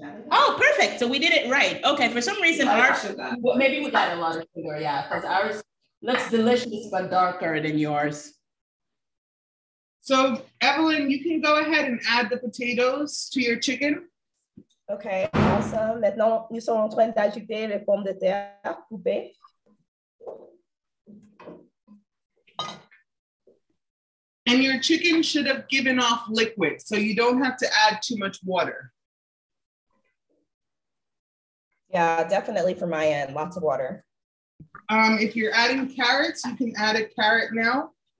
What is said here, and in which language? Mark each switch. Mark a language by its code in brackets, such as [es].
[en] Oh, perfect. So we did it right. Okay, for some reason, maybe we got a lot of sugar, yeah, because ours looks delicious but darker than yours. So, Evelyn, you can go ahead and add the potatoes to your chicken. Okay, awesome. [fr] Maintenant, nous sommes en train d'ajouter les pommes de terre coupées. [en] And your chicken should have given off liquid, so you don't have to add too much water. Yeah, definitely for my end, lots of water. If you're adding carrots, you can add a carrot now.